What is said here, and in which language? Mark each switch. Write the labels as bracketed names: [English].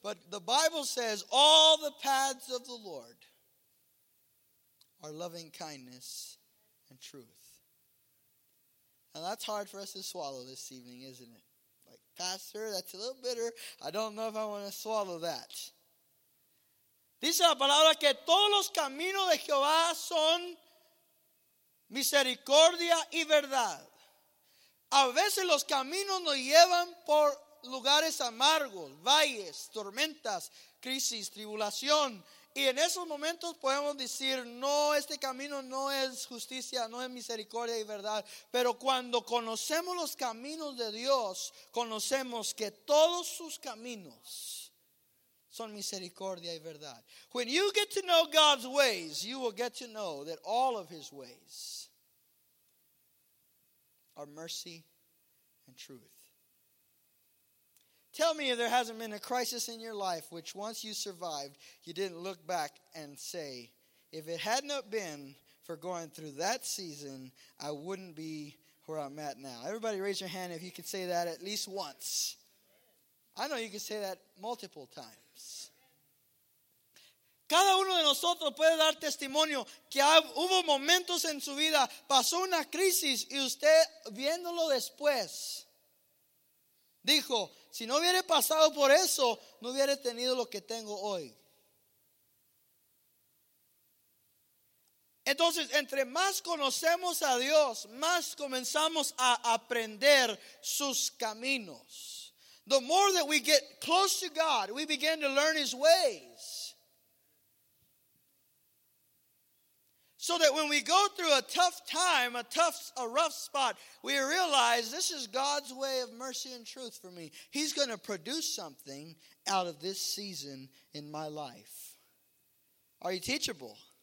[English] But the Bible says all the paths of the Lord are loving kindness and truth. And that's hard for us to swallow this evening, isn't it? Like, Pastor, that's a little bitter. I don't know if I want to swallow that. [Spanish] Dice la palabra que todos los caminos de Jehová son misericordia y verdad. A veces los caminos nos llevan por lugares amargos, valles, tormentas, crisis, tribulación. Y en esos momentos podemos decir, no, este camino no es justicia, no es misericordia y verdad. Pero cuando conocemos los caminos de Dios, conocemos que todos sus caminos son misericordia y verdad. [English] When you get to know God's ways, you will get to know that all of his ways are mercy and truth. Tell me if there hasn't been a crisis in your life which once you survived, you didn't look back and say, if it had not been for going through that season, I wouldn't be where I'm at now. Everybody raise your hand if you could say that at least once. I know you can say that multiple times. [Spanish] Cada uno de nosotros puede dar testimonio que hubo momentos en su vida, pasó una crisis y usted viéndolo después dijo, si no hubiera pasado por eso, no hubiera tenido lo que tengo hoy. Entonces, entre más conocemos a Dios, más comenzamos a aprender sus caminos. [English] The more that we get close to God, we begin to learn his ways. So that when we go through a tough time, a rough spot, we realize this is God's way of mercy and truth for me. He's going to produce something out of this season in my life. Are you teachable?